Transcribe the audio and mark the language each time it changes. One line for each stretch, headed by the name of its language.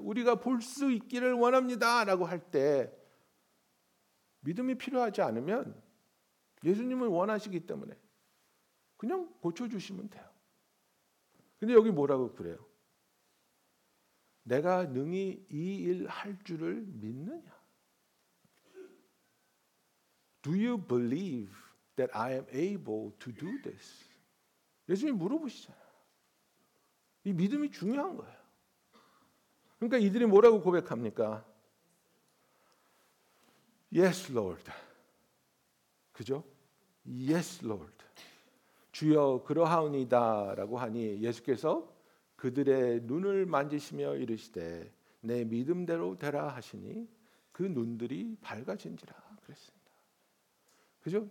Korean: 우리가 볼 수 있기를 원합니다 라고 할 때 믿음이 필요하지 않으면 예수님을 원하시기 때문에 그냥 고쳐주시면 돼요. 근데 여기 뭐라고 그래요? 내가 능히 이 일 할 줄을 믿느냐?
English: Do you believe that I am able to do this?
Korean: 예수님이 물어보시잖아요. 이 믿음이 중요한 거예요. 그러니까 이들이 뭐라고 고백합니까?
English: Yes, Lord.
Korean: 그죠?
English: Yes, Lord.
Korean: 주여 그러하오니다 라고 하니 예수께서 그들의 눈을 만지시며 이르시되 내 믿음대로 되라 하시니 그 눈들이 밝아진지라 그랬습니다. 그죠?